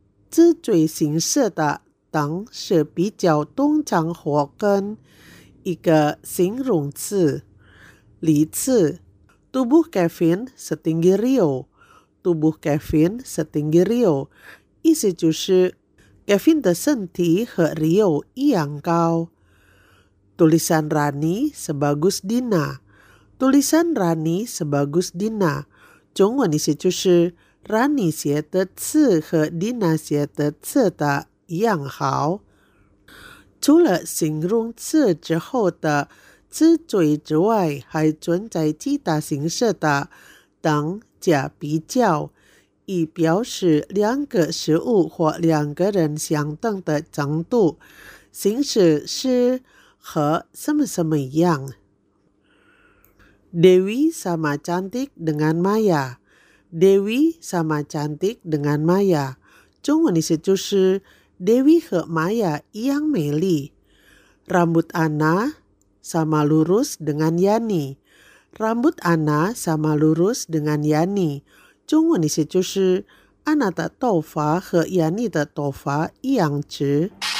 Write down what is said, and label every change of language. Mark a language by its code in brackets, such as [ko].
[zh] 字缀形式的等是比较通常活跟一个形容词，例子 [id] Tubuh Kevin setinggi Rio， [zh] Tubuh Kevin setinggi Rio， 意思就是 Kevin 的身体和 Rio 一样高。 [id] Tulisan Rani sebagus Dina， [zh] Tulisan Rani sebagus Dina， 中文意思就是 Rani 写的字和 Dina 写的字的一样好。除了形容词之后的字缀之外，还存在其他形式的等价比较，以表示两个事物或两个人相等的程度，形式是和什么什么一样。 [id] Dewi sama cantik dengan Maya， [zh] Dewi sama cantik dengan Maya， 中文意思就是Dewi 和 Maya 一样美丽。 [id] Rambut Anna sama lurus dengan Yani， [zh] Rambut Anna sama lurus dengan Yani， 中文意思就是 Anna 的头发和 Yani 的头发一样直。